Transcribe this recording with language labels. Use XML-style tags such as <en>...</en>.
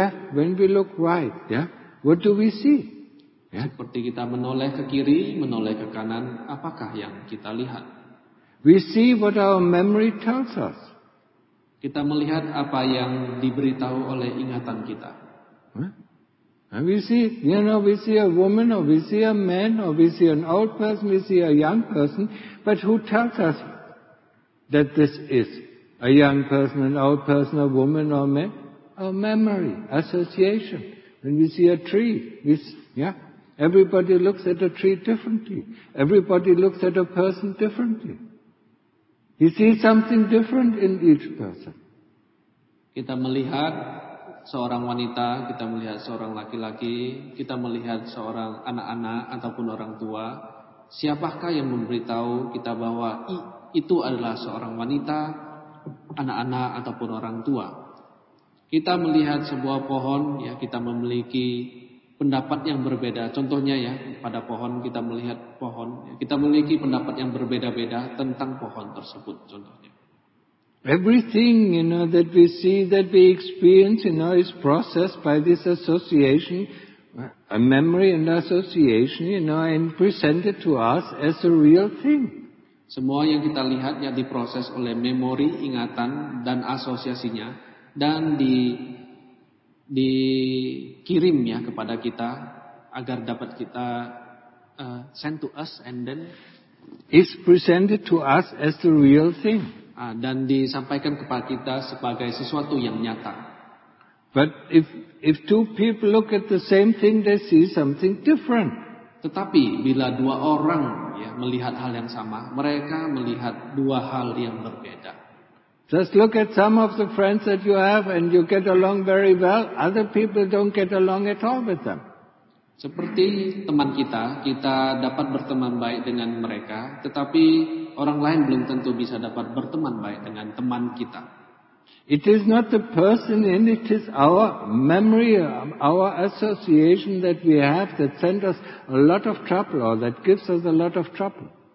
<en>When we look left, when we look right, what do we see?</en> <id>Yeah. Seperti kita menoleh ke kiri, menoleh ke kanan, apakah yang kita lihat?</id> <en>We see what our memory tells us.</en> <id>Kita melihat apa yang diberitahu oleh ingatan kita. Huh?</id> <en>And we see, you know, we see a woman, or we see a man, or we see an old person, we see a young person, but who tells us that this is a young person, an old person, a woman, or a man? Our memory, association. When we see a tree, everybody looks at a tree differently. Everybody looks at a person differently. He sees something different in each person.</en> <id>Kita melihat seorang wanita, kita melihat seorang laki-laki, kita melihat seorang anak-anak ataupun orang tua. Siapakah yang memberitahu kita bahwa itu adalah seorang wanita, anak-anak ataupun orang tua? Kita melihat sebuah pohon, ya, kita memiliki pendapat yang berbeda. Contohnya, ya, pada pohon kita melihat pohon, ya, kita memiliki pendapat yang berbeda-beda tentang pohon tersebut. Contohnya.</id> <en>Everything, you know, that we see, that we experience, you know, is processed by this association, a memory and association, you know, and presented to us as a real thing.</en> <id>Semua yang kita lihat, ya, diproses oleh memori, ingatan, dan asosiasinya, dan dikirim, ya, kepada kita agar dapat kita</id> <en>send to us, and then is presented to us as the real thing,</en> <id>dan disampaikan kepada kita sebagai sesuatu yang nyata.</id> <en>But if two people look at the same thing, they see something different.</en> <id>Tetapi bila dua orang, ya, melihat hal yang sama, mereka melihat dua hal yang berbeda.</id> <en>Just look at some of the friends that you have and you get along very well. Other people don't get along at all with them.</en> <id>Seperti teman kita, kita dapat berteman baik dengan mereka, tetapi orang lain belum tentu bisa dapat berteman baik dengan teman kita.</id> <en>It is not the person in it, is our memory, our association that we have that sends us a lot of trouble, or that gives us a lot of trouble.</en>